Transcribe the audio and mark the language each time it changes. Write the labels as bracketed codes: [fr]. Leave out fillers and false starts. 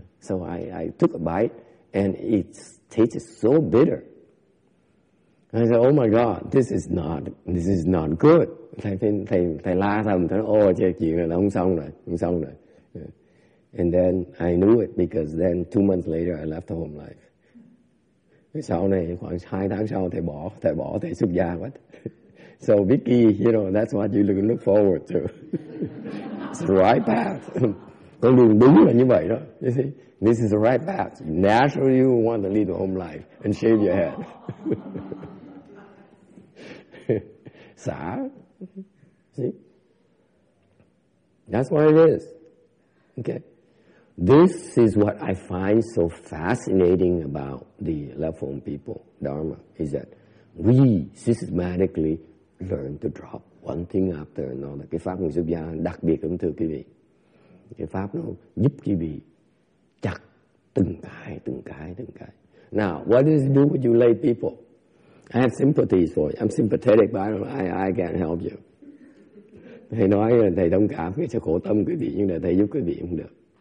[en] So I took a bite and it tasted so bitter. I said, oh my God, this is not good. [vi] Thầy la thầm, thầy nói, oh, chê, chuyện này nó không xong rồi. [en] Yeah. And then I knew it because then 2 months later I left the home life. [vi] Sau này, khoảng 2 tháng sau, thầy bỏ, thầy xuất gia quá. [en] So Vicky, you know, that's what you look forward to. It's the right path. [vi] Con đường đúng là như vậy đó. [en] You see, this is the right path. Naturally, you want to leave the home life and shave your head. See? That's what it is. Okay. This is what I find so fascinating about the left home people, Dharma, is that we systematically learn to drop one thing after another. [vi] Cái pháp người xuất gia đặc biệt lắm thưa quý vị. Cái pháp nó giúp quý vị chặt từng cái. [en] Now, what does it do with you lay people? I have sympathies for you. I'm sympathetic, but I can't help you. [vi] Thầy nói là thầy thông cảm cái sự khổ tâm quý vị, nhưng là thầy giúp quý vị không được.